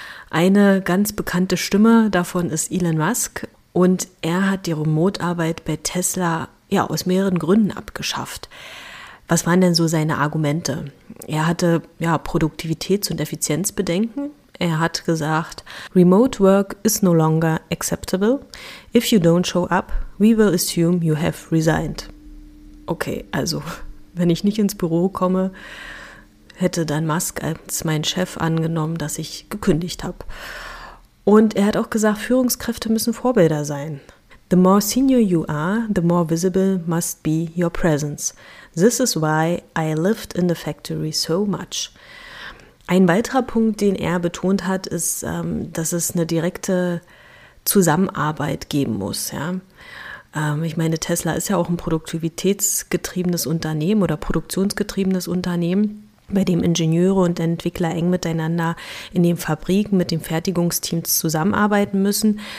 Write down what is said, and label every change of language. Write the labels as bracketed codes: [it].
[de] Eine ganz bekannte Stimme davon ist Elon Musk und er hat die Remote-Arbeit bei Tesla ja aus mehreren Gründen abgeschafft. Was waren denn so seine Argumente? Er hatte ja Produktivitäts- und Effizienzbedenken. Er hat gesagt, [en] Remote work is no longer acceptable. If you don't show up, we will assume you have resigned. [de] Okay, also wenn ich nicht ins Büro komme, hätte dann Musk als mein Chef angenommen, dass ich gekündigt habe. Und er hat auch gesagt, Führungskräfte müssen Vorbilder sein. [en] The more senior you are, the more visible must be your presence. This is why I lived in the factory so much. [de] Ein weiterer Punkt, den er betont hat, ist, dass es eine direkte Zusammenarbeit geben muss. Ja. Ich meine, Tesla ist ja auch ein produktivitätsgetriebenes Unternehmen oder produktionsgetriebenes Unternehmen, bei dem Ingenieure und Entwickler eng miteinander in den Fabriken mit den Fertigungsteams zusammenarbeiten müssen.